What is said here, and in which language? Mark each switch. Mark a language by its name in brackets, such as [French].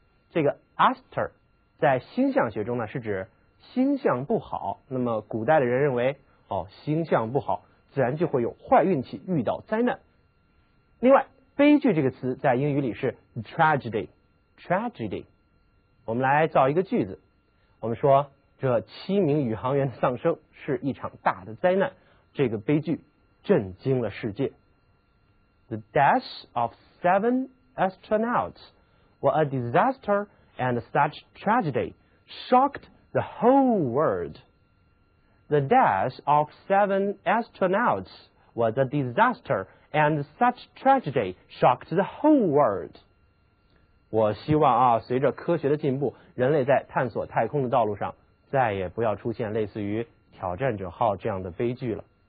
[Chinese] 这个 aster 在星象学中呢是指星象不好，那么古代的人认为哦，星象不好自然就会有坏运气，遇到灾难。另外悲剧这个词在英语里是 tragedy。我们来造一个句子，我们说这七名宇航员的丧生是一场大的灾难，这个悲剧震惊了世界。 [English] The death of seven astronauts was a disaster and such tragedy shocked the whole world. The death of seven astronauts was a disaster and such tragedy shocked the whole world. [Chinese] 我希望啊，随着科学的进步，人类在探索太空的道路上再也不要出现类似于挑战者号这样的悲剧了。